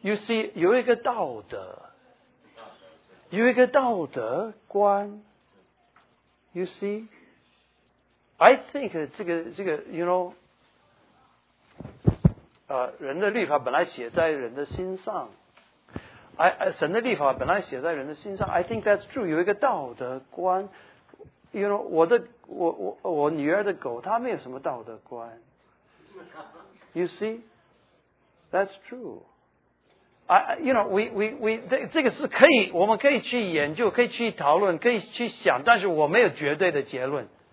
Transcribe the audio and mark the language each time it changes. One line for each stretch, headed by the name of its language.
Chinese: You see, 有一个道德，有一个道德观。 You see,
English: I think
Chinese: 这个 you know, 人的律法本来写在人的心上。神的律法本来写在人的心上。
English: I think that's true.
Chinese: 有一个道德观。 You know, 我女儿的狗，她没有什么道德观。
English: You see, that's true.
Chinese: You know, we, 这个是可以，我们可以去研究，可以去讨论，可以去想，但是我没有绝对的结论。